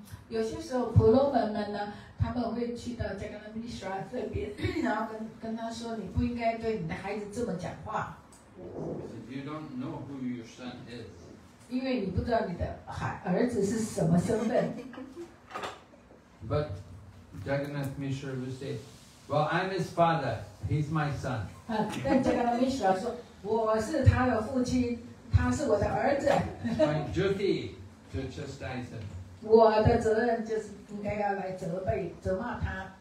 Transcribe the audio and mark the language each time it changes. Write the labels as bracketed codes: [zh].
[zh] 有些时候婆罗门们呢他们会去到 Jagannath Mishra 这边然后 跟他说你不应该对你的孩子这么讲话。 [en] Because you don't know who your son is. [zh] 因为你不知道你的儿子是什么身份。 [en] But Jagannath Mishra would say, well, I'm his father, he's my son. [zh] 但 Jagannath Mishra 说我是他的父亲他是我的儿子。 [en] My duty to chastise him. [zh] 我的责任就是应该要来责备、责骂他。